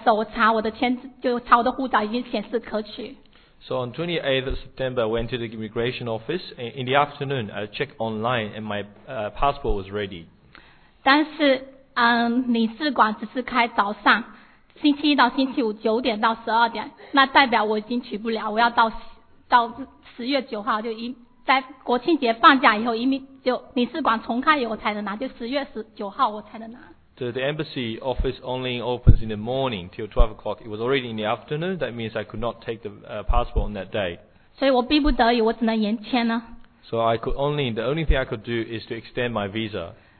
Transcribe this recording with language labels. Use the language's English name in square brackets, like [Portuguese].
[Chinese] 所以当时当我就9月28号早上我去了移民局，但下午回来的时候，我查我的签，就查我的护照已经显示可取。 [English] So on 28th of September, I went to the immigration office, and in the afternoon, I checked online, and my passport was ready. [Chinese] 但是, 领事馆只是开早上，星期一到星期五9点到12点，那代表我已经取不了，我要到10月9号，就在国庆节放假以后，领事馆重开以后我才能拿，就10月19号我才能拿。 [English] The embassy office only opens in the morning till 12 o'clock. It was already in the afternoon. That means I could not take the passport on that day. [Chinese] 所以我逼不得已，我只能延签了。 [English] The only thing I could do is to extend my visa.